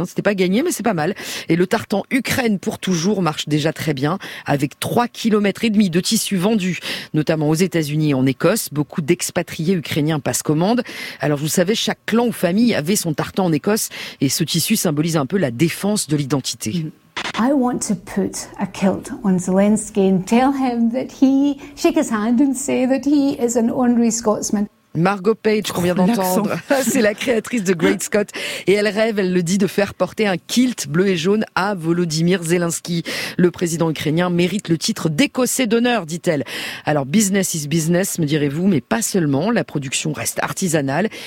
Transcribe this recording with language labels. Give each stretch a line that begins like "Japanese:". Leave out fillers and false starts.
French: C'était pas gagné, mais c'est pas mal. Et le tartan Ukraine pour toujours marche déjà très bien, avec 3,5 km de tissu vendu, notamment aux États-Unis et en Écosse. Beaucoup d'expatriés ukrainiens passent commande. Alors vous savez, chaque clan ou famille avait son tartan en Écosse et ce tissu symbolise un peu la défense de l'identité.
English: I want to put a kilt on Zelensky and tell him that he shake his hand and say that he is an honorary Scotsman.
French: Margot Page, qu'on vient d'entendre, c'est la créatrice de Great Scott. Et elle rêve, elle le dit, de faire porter un kilt bleu et jaune à Volodymyr Zelensky. Le président ukrainien mérite le titre d'écossais d'honneur, dit-elle. Alors,
English: business is business,
French: me direz-vous, mais pas seulement. La production reste artisanale.